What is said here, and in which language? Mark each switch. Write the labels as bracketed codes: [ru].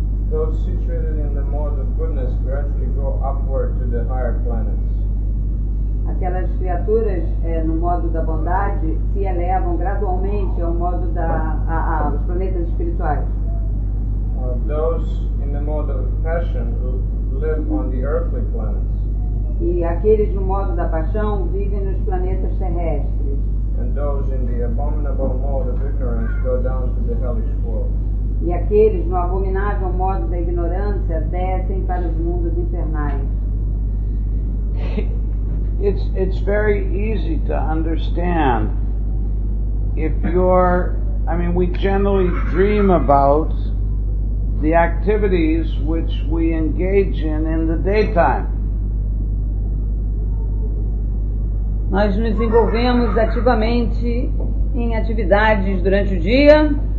[en] Those situated in the mode of goodness gradually go upward to the higher planets. [pt] Aquelas criaturas no modo da bondade se elevam gradualmente ao modo da aos planetas espirituais. [en] Those in the mode of passion live on the earthly planets. [pt] E aqueles no modo da paixão vivem nos planetas terrestres. [en] And those in the abominable mode of ignorance go down to the hellish world. [pt] E aqueles no abominável modo da ignorância descem para os mundos infernais. [en] It's very easy to understand. We generally dream about the activities which we engage in the daytime. [pt] Nós nos envolvemos ativamente em atividades durante o dia.